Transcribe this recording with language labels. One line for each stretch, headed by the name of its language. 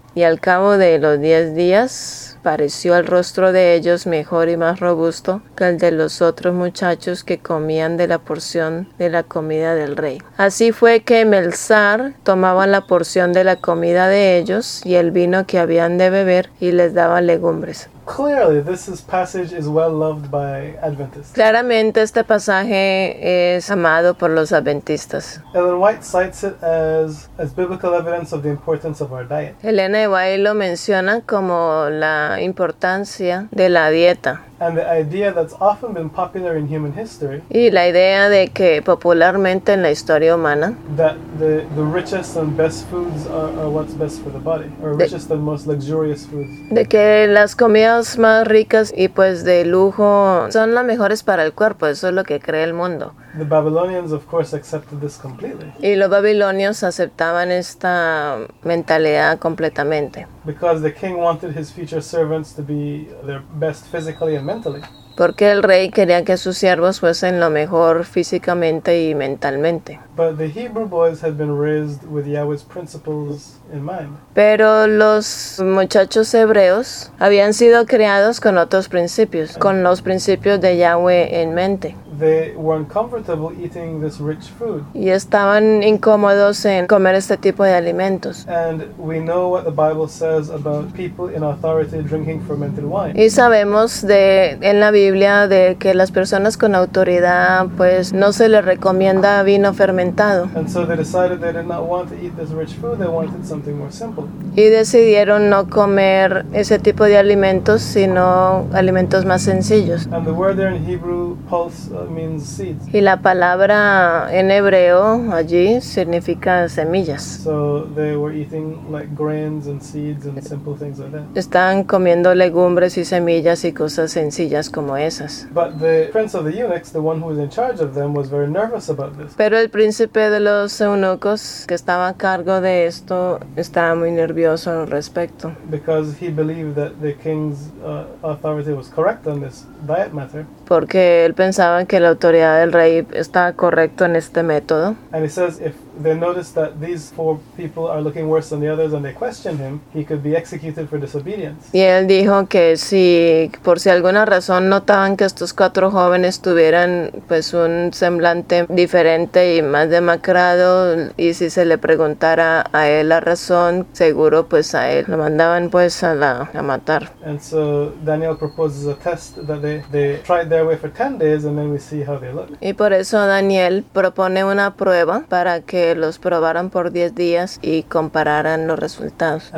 Spanish: Y al cabo de los 10 días, pareció el rostro de ellos mejor y más robusto que el de los otros muchachos que comían de la porción de la comida del rey. Así fue que Melzar tomaba la porción de la comida de ellos y el vino que habían de beber y les daba legumbres.
English: Clearly, this passage is well loved by Adventists.
Spanish: Claramente, este pasaje es amado por los adventistas.
English: Ellen White cites it as biblical evidence of the importance of our diet.
Spanish: Elena White lo menciona como la importancia de la dieta.
English: And the idea that's often been popular in human history.
Spanish: Y la idea de que popularmente en la historia humana.
English: That the richest and best foods are what's best for the body, or richest and most luxurious foods.
Spanish: De que las comidas más ricas y pues de lujo son las mejores para el cuerpo. Eso es lo que cree el mundo.
English: The Babylonians, of course, accepted this completely.
Spanish: Y los babilonios aceptaban esta mentalidad completamente.
English: Because the king wanted his future servants to be their best physically and mentally.
Spanish: Porque el rey quería que sus siervos fuesen lo mejor físicamente y mentalmente.
English: But the Hebrew boys had been raised with Yahweh's principles in mind.
Spanish: Pero los muchachos hebreos habían sido creados con otros principios, con los principios de Yahweh en mente.
English: They were uncomfortable eating this rich food.
Spanish: Y estaban incómodos en comer este tipo de alimentos.
English: And we know what the Bible says about people in authority drinking fermented wine.
Spanish: Y sabemos de en la Biblia de que las personas con autoridad pues no se les recomienda vino fermentado.
English: And so they decided they did not want to eat this rich food, they wanted something more simple.
Spanish: Y decidieron no comer ese tipo de alimentos, sino alimentos más sencillos.
English: And the word there in Hebrew, pulse, means seeds.
Spanish: Y la palabra en hebreo allí significa semillas.
English: So they were eating like grains and seeds and simple things like that.
Spanish: Están comiendo legumbres y semillas y cosas sencillas como esas.
English: But the prince of the eunuchs, the one who was in charge of them, was very nervous about this.
Spanish: Pero el príncipe de los eunucos que estaba a cargo de esto estaba muy nervioso al respecto.
English: Because he believed that the king's authority was correct on this diet matter.
Spanish: Porque él pensaba que la autoridad del rey estaba correcto en este método.
English: And he says if they notice that these four people are looking worse than the others and they question him, he could be executed for disobedience.
Spanish: Y él dijo que si por si alguna razón notaban que estos cuatro jóvenes tuvieran pues un semblante diferente y más demacrado y si se le preguntara a él la razón, seguro pues a él lo mandaban pues a matar.
English: And so Daniel proposes a test that they tried their way for 10 days and then we see how they look.
Spanish: Y por eso Daniel propone una prueba para que los probaran por 10 días y compararan los resultados.